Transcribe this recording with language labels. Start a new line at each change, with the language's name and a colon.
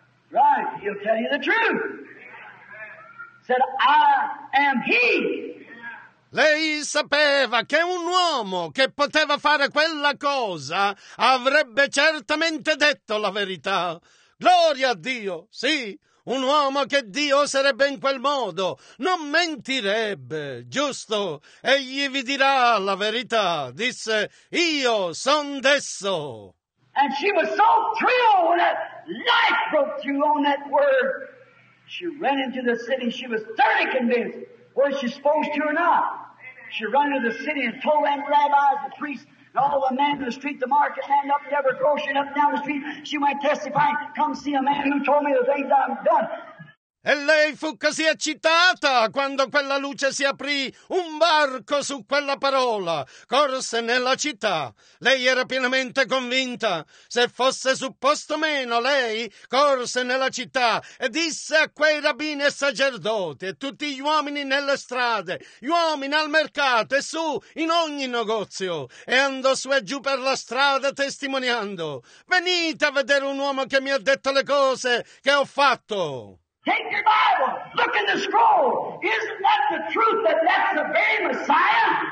English: Right, he'll tell you the truth. Said, I am he.
Italian: Lei sapeva che un uomo che poteva fare quella cosa avrebbe certamente detto la verità. Gloria a Dio, sì, un uomo che Dio sarebbe in quel modo, non mentirebbe, giusto? Egli vi dirà la verità, disse, io son desso.
English: And she was so thrilled when that light broke through on that word. She ran into the city, she was thoroughly convinced, was she supposed to or not? She ran to the city and told them rabbis, the priests, and all the men in the street, the market man up there, every grocery up and down the street. She went testifying, come see a man who told me the things I've done.
Italian: E lei fu così eccitata quando quella luce si aprì, un varco su quella parola, corse nella città. Lei era pienamente convinta, se fosse supposto meno, lei corse nella città e disse a quei rabbini e sacerdoti e tutti gli uomini nelle strade, gli uomini al mercato e su in ogni negozio, e andò su e giù per la strada testimoniando: venite a vedere un uomo che mi ha detto le cose che ho fatto.
English: Take your Bible, look in the scroll. Isn't that the truth that that's the very Messiah?